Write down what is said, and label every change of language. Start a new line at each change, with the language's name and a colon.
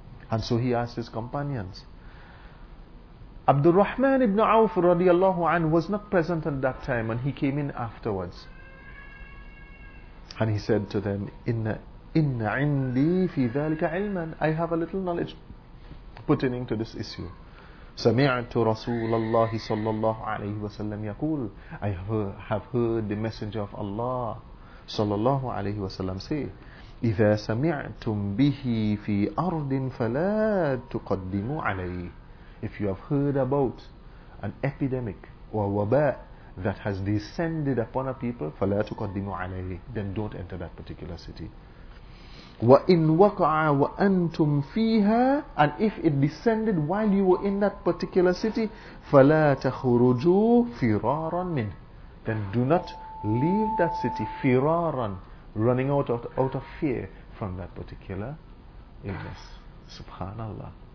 English: And so he asked his companions. Abdul Rahman ibn Awf radiallahu anhu was not present at that time, and he came in afterwards.
Arabic: And he said to them, Inna indi fi dhalika ilman.
English: I have a little knowledge pertaining to this issue.
Arabic: سمعت رسول الله صلى الله عليه وسلم يقول,
English: I have heard the messenger of Allah
Arabic: صلى الله عليه وسلم say, إذا سمعتم به في أرض فلا تقدموا عليه.
English: If you have heard about an epidemic or وباء that has descended upon a people,
Arabic: فلا تقدموا عليه,
English: then don't enter that particular city.
Arabic: وَإِنْ وَقَعَ وَأَنْتُمْ فِيهَا,
English: and if it descended while you were in that particular city,
Arabic: فَلَا تَخُرُجُوا فِرَارًا مِنْ,
English: then do not leave that city, فِرَارًا, running out of fear from that particular illness. Subhanallah.